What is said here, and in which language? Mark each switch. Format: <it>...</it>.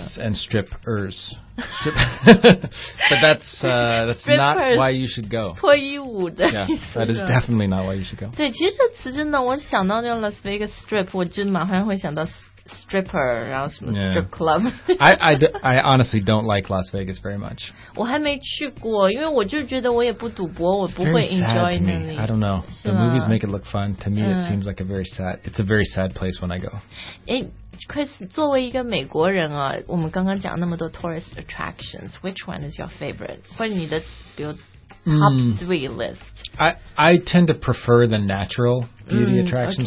<en>Yes, and strippers But that's not why you should go.</en> <zh>脱衣舞的</zh> <en>Yeah, that is definitely not why you should go.</en> <zh>对，其实这词真的，我想到那 Las Vegas Strip， 我就马上会想到 stripper， 然后什么 strip club。</zh> <en>I honestly don't like Las Vegas very much.</en> <zh>我还没去过，因为我就觉得我也不赌博，我不会 enjoy 那里。</zh> <en>I don't know. The movies make it look fun. To me, it seems like a very sad. It's a very sad place when I go.</en> <zh>Chris, 作为一个美国人啊，我们刚刚讲那么多 tourist attractions,</zh> <en>which one is your favorite?</en> <zh>或者你的比如</zh> <en>top three list? I tend to prefer the natural beauty attractions、</en>